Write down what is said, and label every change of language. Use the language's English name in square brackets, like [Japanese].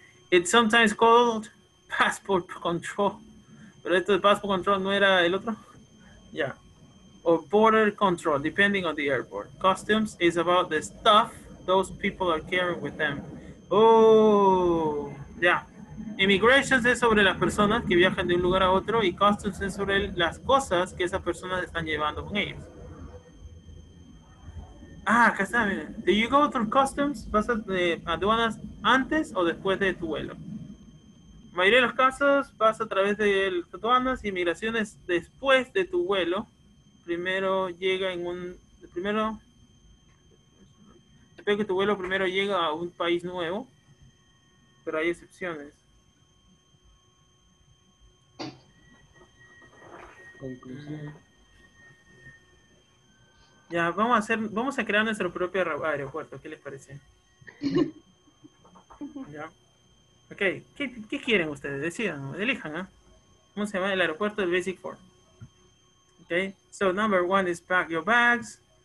[English] It's sometimes called passport control, [Spanish] pero esto de passport control no era el otro, [English] yeah, or border control, depending on the airport. Customs is about the stuff those people are carrying with them. Oh, yeah. [Spanish] Immigration es sobre las personas que viajan de un lugar a otro y customs es sobre las cosas que esas personas están llevando con ellos. Ah, acá está, miren. [English] Do you go through customs? [Spanish] ¿Vas a aduanas antes o después de tu vuelo? La mayoría de los casos vas a través de aduanas y migraciones después de tu vuelo. Primero llega en un primero, espero que tu vuelo primero llegue a un país nuevo, pero hay excepciones. Conclusión. Ya, vamos a crear nuestro propio aeropuerto, ¿qué les parece? Ya. Ok, ¿qué quieren ustedes? Decidan, elijan, ¿eh? ¿Cómo se llama el aeropuerto del Basic Four? [English] Okay, so number one is pack your bags.